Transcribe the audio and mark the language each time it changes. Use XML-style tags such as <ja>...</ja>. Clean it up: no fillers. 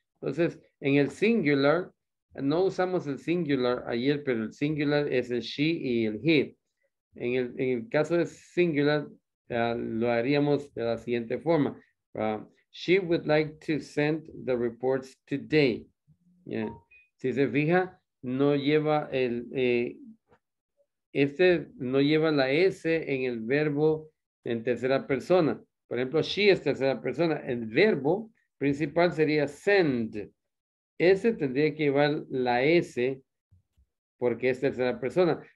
<es>Entonces, en el singular, no usamos el singular ayer, pero el singular es el she y el he. En el caso de singular, lo haríamos de la siguiente forma.</es> <en>She would like to send the reports today. Yeah.</en> <es>Si se fija, no lleva no lleva la S en el verbo en tercera persona. Por ejemplo, she es tercera persona. El verbo principal sería send. Ese tendría que llevar la S porque es tercera persona.</es>